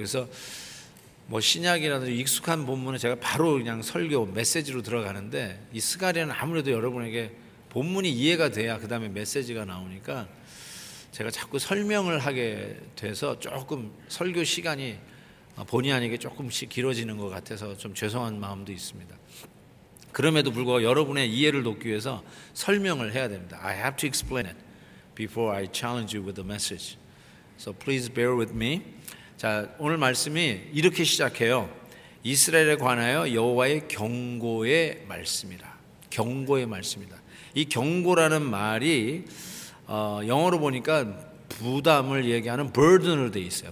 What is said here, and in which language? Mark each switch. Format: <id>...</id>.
<ko>그래서 뭐 신약이라든지 익숙한 본문은 제가 바로 그냥 설교 메시지로 들어가는데, 이 스가랴는 아무래도 여러분에게 본문이 이해가 돼야 그 다음에 메시지가 나오니까 제가 자꾸 설명을 하게 돼서 조금 설교 시간이 본의 아니게 조금씩 길어지는 것 같아서 좀 죄송한 마음도 있습니다. 그럼에도 불구하고 여러분의 이해를 돕기 위해서 설명을 해야 됩니다.</ko> <en>I have to explain it before I challenge you with the message. So please bear with me.</en> <ko>자, 오늘 말씀이 이렇게 시작해요. 이스라엘에 관하여 여호와의 경고의 말씀이라. 경고의 말씀이다. 이 경고라는 말이 영어로 보니까 부담을 얘기하는 burden으로 되어 있어요.</ko>